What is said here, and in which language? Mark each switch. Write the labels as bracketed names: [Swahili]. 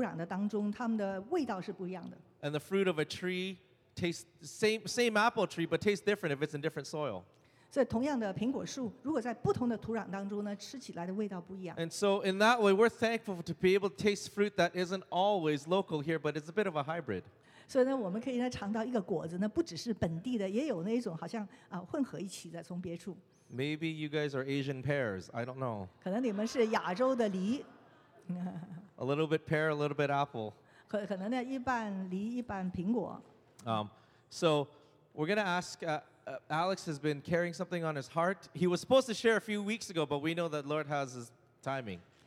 [Chinese] 你知道吗？有些不同的植物放在不同的土壤的当中，它们的味道是不一样的。 [English] And the fruit of a tree tastes same apple tree, but tastes different if it's in different soil. [Chinese] 所以同样的苹果树，如果在不同的土壤当中呢，吃起来的味道不一样。 [English] And so in that way, we're thankful to be able to taste fruit that isn't always local here, but it's a bit of a hybrid. [Chinese] 所以呢，我们可以呢尝到一个果子呢，不只是本地的，也有那种好像混合一起的从别处。 [English] Maybe you guys are Asian pears. I don't know. [Chinese] 可能你们是亚洲的梨。 [English] A little bit pear, a little bit apple. [Chinese] 可能呢一半梨一半苹果。 [English] So we're gonna ask. Alex has been carrying something on his heart. He was supposed to share a few weeks ago, but we know that Lord has his timing.